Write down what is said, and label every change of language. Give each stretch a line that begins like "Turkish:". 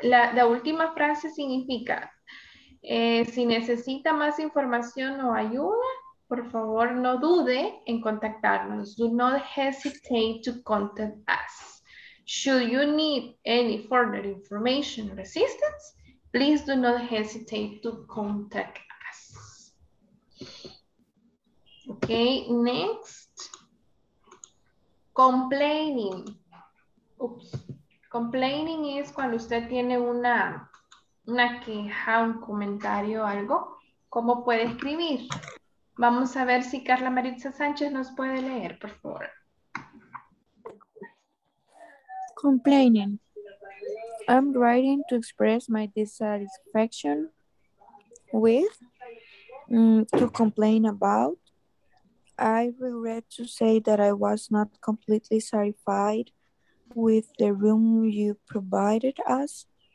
Spanish: La última frase significa, si necesita más información o ayuda, por favor no dude en contactarnos.
English: Do not hesitate to contact us. Should you need any further information or assistance, please do not hesitate to contact us. Okay, next. Complaining. Oops. Complaining is
Spanish: cuando usted tiene una queja, un comentario, algo. ¿Cómo puede escribir? Vamos a ver si Carla Maritza Sánchez nos puede leer, por favor.
English: Complaining. I'm writing to express my dissatisfaction with, to complain about. I regret to say that I was not completely satisfied with the room you provided us.